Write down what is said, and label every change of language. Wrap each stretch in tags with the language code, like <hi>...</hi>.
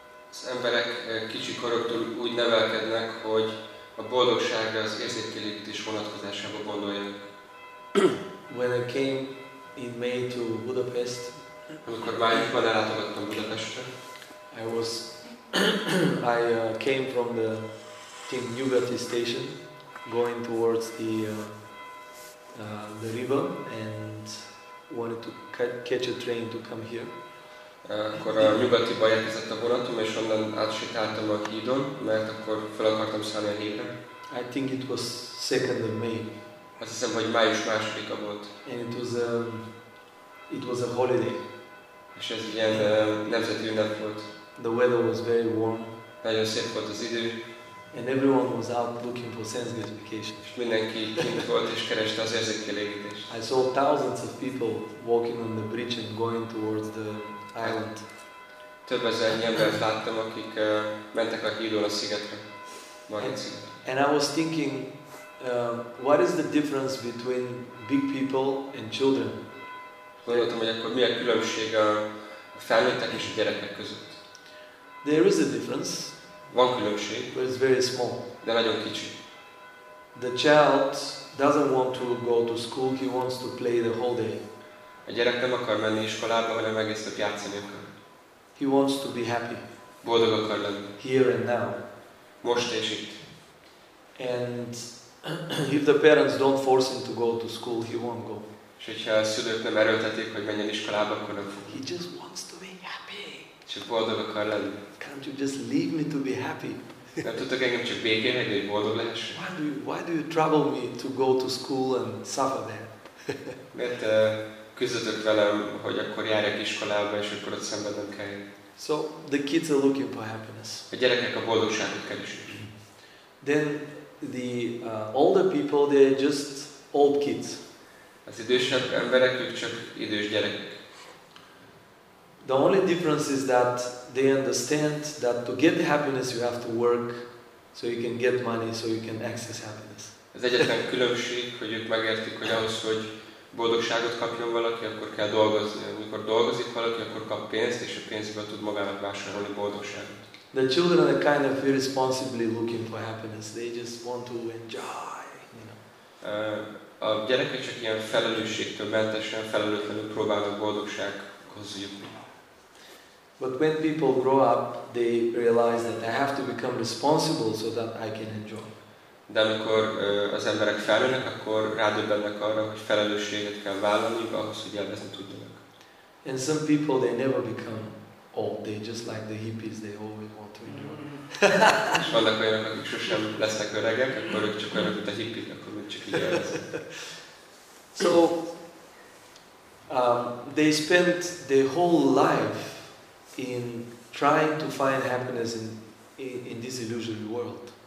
<hu>Az emberek kicsi koroktól úgy nevelkednek, hogy a boldogságra az érzékelítés vonatkozásába gondoljanak.</hu> <en>When I came in May to Budapest,</en> <hu>amikor májusban ellátogattam Budapestre,</hu> <en>I came from the Team Nyugati station, going towards the river, and wanted to catch a train to come here.</en> <hu>Akkor a nyugatiba érkezett a vonatom, és onnan átsétáltam a hídon, mert akkor fel akartam szállni a hídre.</hu> <en>I think it was 2nd of May.</en> <hu>Azt hiszem, hogy május 2-a volt.</hu> <en>And it was a holiday.</en> <hu>És ez ilyen nemzeti ünnep volt.</hu> <en>The weather was very warm.</en> <hu>Nagyon szép volt az idő.</hu> <en>And everyone was out looking for sense gratification.</en> <hu>És mindenki kint volt és kereste az érzékkielégítést.</hu> <en>I saw thousands of people walking on the bridge and going towards the island.</en> <hu>Több ezer embert láttam, akik mentek a hídon a szigetre.</hu> <en>And I was thinking, what is the difference between big people and children?</en> <hu>Gondoltam, hogy akkor mi a különbség a felnőttek és a gyerekek között.</hu> <en>There is a difference.</en> <hu>Van különbség.</hu> <en>But it's very small.</en> <hu>De nagyon kicsi.</hu> <en>The child doesn't want to go to school, he wants to play the whole day.</en> <hu>A gyerek nem akar menni iskolába, hanem egész nap játszani akar.</hu> <en>He wants to be happy.</en> <hu>Boldog akar lenni.</hu> <en>Here and now.</en> <hu>Most és itt.</hu> <en>And if the parents don't force him to go to school, he won't go.</en> <hu>És hogyha a szülők nem erőltetik, hogy menjen iskolába, akkor nem fog.</hu> <en>He just wants to be happy.</en> <hu>Csak boldog akar lenni.</hu> <en>Can't you just leave me to be happy?</en> <hu>Nem tudtok engem csak békén hagyni, hogy boldog legyek?</hu> <en>Why do you trouble me to go to school and suffer there?</en> <hu>Mert küzdötök velem, hogy akkor járjak iskolába, és akkor ott szenvedem kell.</hu> <en>So the kids are looking for happiness.</en> <hu>A gyerekek a boldogságot keresik.</hu> <en>Then the older people, they are just old kids.</en> <hu>Az idősebb emberek, ők csak idős gyerekek.</hu> <en>The only difference is that they understand that to get happiness you have to work so you can get money so you can access happiness.</en> <hu>Az egyetlen különbség, hogy ők megértik, hogy ahhoz, hogy boldogságot kapjon valaki, akkor kell dolgozni. Amikor dolgozik valaki, akkor kap pénzt, és a pénzből tud magának vásárolni boldogságot.</hu> <en>The children are kind of irresponsibly looking for happiness. They just want to enjoy, you know.</en> <hu>A gyerekek csak ilyen felelősségtől mentesen, felelőtlenül próbálnak boldogsághoz jutni.</hu> <en>But when people grow up, they realize that I have to become responsible so that I can enjoy.</en> <hu>De amikor az emberek felnőnek, akkor rádöbbennek arra, hogy felelősséget kell vállalni ahhoz, hogy élvezni tudjanak.</hu> <en>And some people, they never become old. They just like the hippies, they always want to enjoy.</en> <hu>És vannak olyanok, akik sosem lesznek öregek, akkor ők csak olyanok, mint a hippik, akkor ők csak így élvezni.</hu> <en>So, they spent their whole life in trying to find happiness in this illusory world.</en>